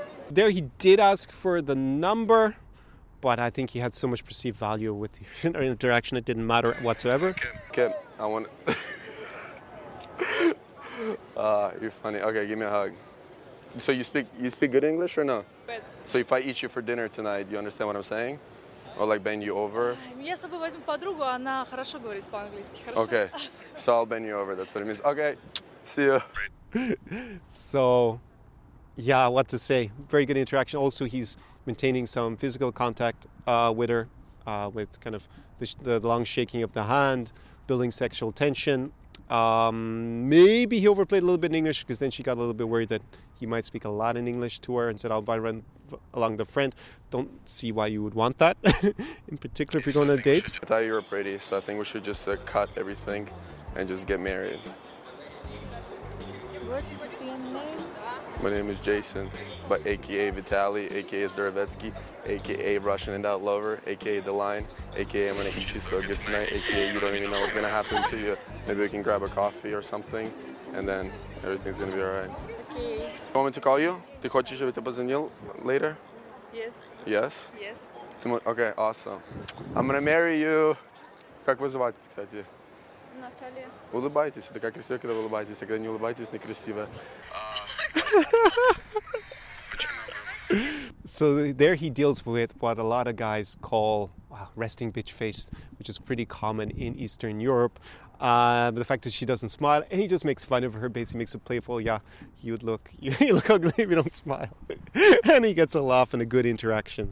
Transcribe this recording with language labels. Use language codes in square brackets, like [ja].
[en] There he did ask for the number, but I think he had so much perceived value with the interaction, it didn't matter whatsoever. Okay, I want... you're funny. Okay, give me a hug. So you speak good English or no? Good. So if I eat you for dinner tonight, you understand what I'm saying? Or like bend you over? [ru] Я с собой возьму подругу, она хорошо говорит по-английски. [en] Okay. So I'll bend you over. That's what it means. Okay. See ya. So, yeah, what to say? Very good interaction. Also, he's maintaining some physical contact with her, with kind of the long shaking of the hand, building sexual tension. Maybe he overplayed a little bit in English, because then she got a little bit worried that he might speak a lot in English to her and said, I'll run along the front. Don't see why you would want that, in particular if you're going on a date. I thought you were pretty, so I think we should just cut everything and just get married. What is your name? My name is Jason, but aka Vitaly, aka Zdorovetsky, aka Russian and Out Lover, aka The Line, aka I'm gonna eat you so good tonight, aka you don't even know what's gonna happen to you. Maybe we can grab a coffee or something, and then everything's gonna be alright. Okay. You want me to call you? [ru] Ты хочешь, чтобы я позвонил later? [en] Yes. Yes? Yes. Okay, awesome. I'm gonna marry you. [ru] Как вас зовут, кстати? Наталья. Улыбайтесь, это как красиво, когда вы улыбаетесь, а когда не улыбаетесь, не красиво. [en] So there he deals with what a lot of guys call resting bitch face, which is pretty common in Eastern Europe. But the fact that she doesn't smile, and he just makes fun of her, basically makes it playful. Yeah, you look ugly if you don't smile. And he gets a laugh and a good interaction.